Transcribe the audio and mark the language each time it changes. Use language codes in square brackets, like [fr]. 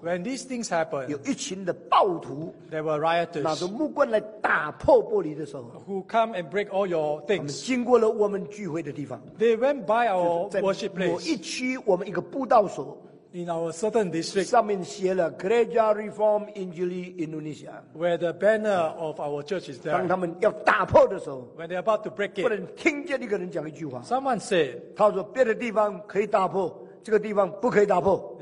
[en] When these things happened, [zh] 有一群的暴徒 [en] There were rioters. [zh] 拿着木棍来打破破玻璃的时候 [en] who come and break all your things. [zh] 他们经过了我们聚会的地方 [en] They went by our worship place. [zh] 某一区我们一个布道所 [en] In our certain district. [zh] 上面写了 Gereja Reform Injili Indonesia. [en] Where the banner of our church is there. [zh] 当他们要打破的时候 [en] When they're about to break it. [zh] 不能听见一个人讲一句话 [en] Someone said. [zh] 他说别的地方可以打破这个地方不可以打破。